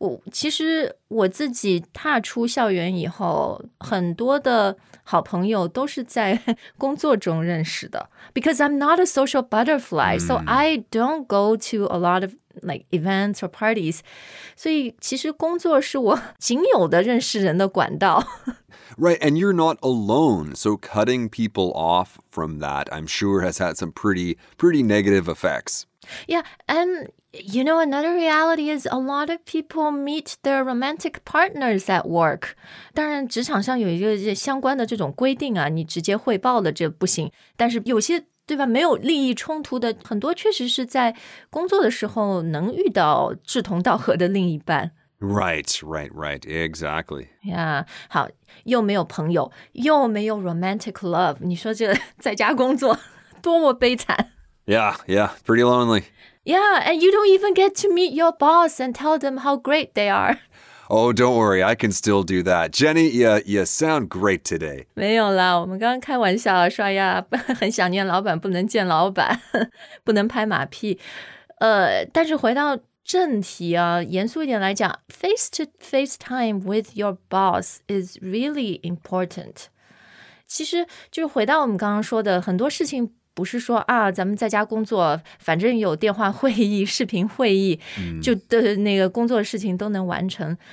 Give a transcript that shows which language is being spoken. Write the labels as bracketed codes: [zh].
[zh] 其实我自己踏出校园以后，很多的好朋友都是在工作中认识的。 [en] Because I'm not a social butterfly, so I don't go to a lot of like events or parties. [zh] 所以其实工作是我仅有的认识人的管道。 [en] Right, and you're not alone. So cutting people off from that, I'm sure, has had some pretty negative effects. Yeah, and you know, another reality is a lot of people meet their romantic partners at work. [zh] 当然职场上有一个相关的这种规定啊，你直接汇报了这不行。但是有些对吧，没有利益冲突的，很多确实是在工作的时候能遇到志同道合的另一半。 [en] Right, right, right, exactly. [zh] Yeah, 好，又没有朋友，又没有 [en] romantic love. [zh] 你说这在家工作多么悲惨。 [en] Yeah, yeah, pretty lonely. Yeah, and you don't even get to meet your boss and tell them how great they are. Oh, don't worry, I can still do that. Jenny, you sound great today. [zh] 没有啦，我们刚刚开玩笑说呀，很想念老板，不能见老板，不能拍马屁。但是回到正题啊，严肃一点来讲 [en] face to face time with your boss is really important. [zh] 其实就是回到我们刚刚说的，很多事情不是说啊，咱们在家工作，反正有电话会议、视频会议，就的那个工作事情都能完成。